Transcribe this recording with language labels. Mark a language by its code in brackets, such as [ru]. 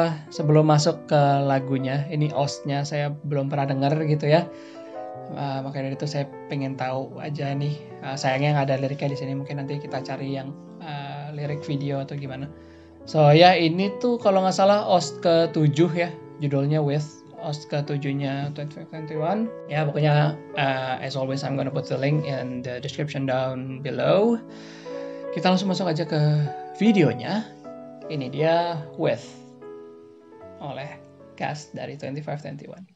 [id] Sebelum masuk ke lagunya, ini OST-nya saya belum pernah dengar gitu ya. Makanya dari itu saya pengen tahu aja nih. Sayangnya nggak ada liriknya di sini, mungkin nanti kita cari yang lirik video atau gimana. So ya, ini tuh kalau nggak salah OST ke-7 ya. Judulnya With, OST ke-7-nya 2521. Ya, pokoknya [en] as always I'm gonna put the link in the description down below. [id] Kita langsung masuk aja ke videonya. Ini dia With oleh cast dari 2521.